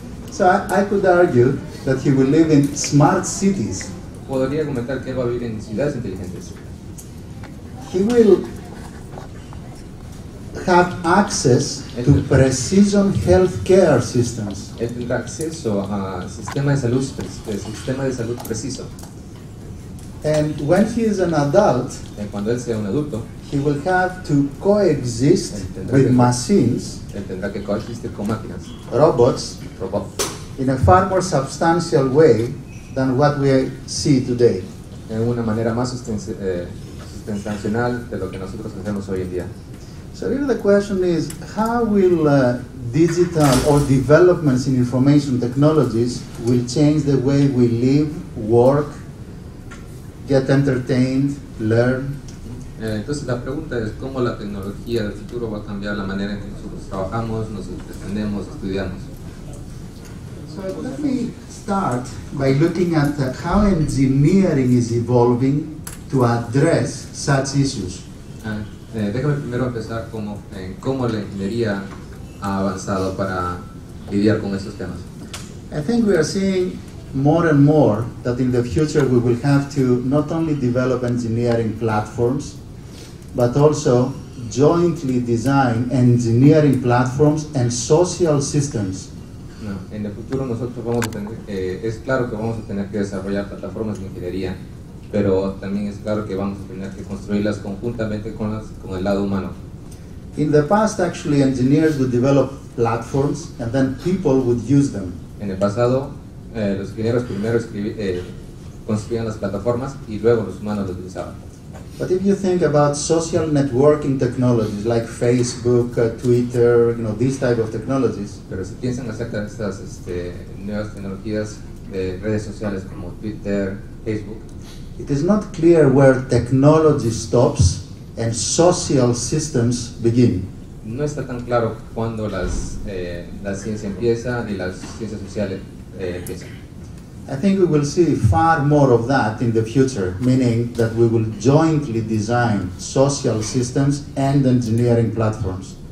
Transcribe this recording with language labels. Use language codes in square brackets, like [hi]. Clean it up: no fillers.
[en] So I could argue that he will live in smart cities. [es] Podría comentar que él va a vivir en ciudades inteligentes. [en] He will have access to precision healthcare systems. [es] Él tendrá acceso a sistema de salud preciso. [en] And when he is an adult, [es] cuando él sea un adulto, [en] he will have to coexist with machines, [es] él tendrá que coexistir con máquinas, [en] robots, in a far more substantial way than what we see today. [es] En una manera más sustancial de lo que nosotros hacemos hoy en día. [en] So really the question is, how will digital or developments in information technologies will change the way we live, work, get entertained, learn? [es] Entonces la pregunta es cómo la tecnología del futuro va a cambiar la manera en que nosotros trabajamos, nos entendemos, estudiamos. [en] So let me start by looking at how engineering is evolving to address such issues. [es] Déjame primero empezar cómo la ingeniería ha avanzado para lidiar con esos temas. [en] I think we are seeing more and more that in the future we will have to not only develop engineering platforms but also jointly design engineering platforms and social systems. [es] No, en el futuro nosotros vamos a tener, es claro que vamos a tener que desarrollar plataformas de ingeniería, pero también es claro que vamos a tener que construirlas conjuntamente con el lado humano. [en] In the past actually engineers would develop platforms and then people would use them. [es] En el pasado los ingenieros primero construían las plataformas y luego los humanos las utilizaban. [en] But if you think about social networking technologies like Facebook, Twitter, you know, these type of technologies. [es] Pero si piensan acerca de estas nuevas tecnologías de redes sociales como Twitter, Facebook. [en] It is not clear where technology stops and social systems begin. [es] No está tan claro cuándo la ciencia empieza y las ciencias sociales. [en] I think we will see far more of that in the future, meaning that we will jointly design social systems and engineering platforms.